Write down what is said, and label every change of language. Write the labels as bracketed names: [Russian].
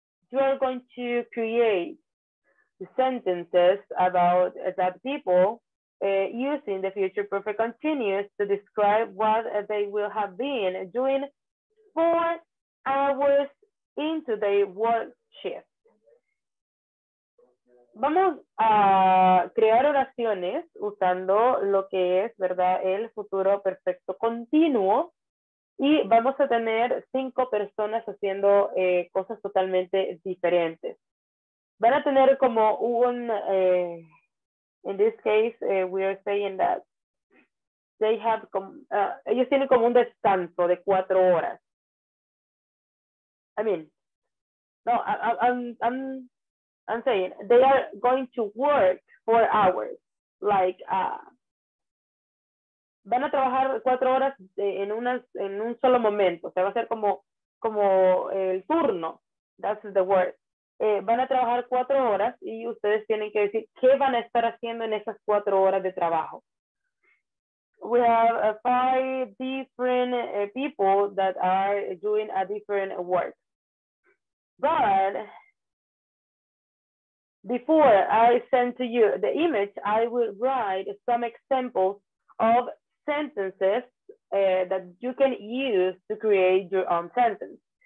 [English] You are going to create sentences about that people using the future perfect continuous to describe what they will have been doing 4 hours into their work shift. [Spanish] Vamos a crear oraciones usando lo que es, ¿verdad?, el futuro perfecto continuo, y vamos a tener 5 personas haciendo cosas totalmente diferentes. Van a tener como un, [English] in this case, we are saying that they have [Spanish] ellos tienen como un descanso de 4 horas. [English] I'm saying they are going to work 4 hours, like [Spanish] van a trabajar 4 horas en un solo momento. O sea, va a ser como el turno. [English] That's the word. [Spanish] Van a trabajar 4 horas y ustedes tienen que decir qué van a estar haciendo en esas 4 horas de trabajo. [English] We have 5 different people that are doing a different work. But before I send to you the image, I will write some examples of sentences that you can use to create your own sentence.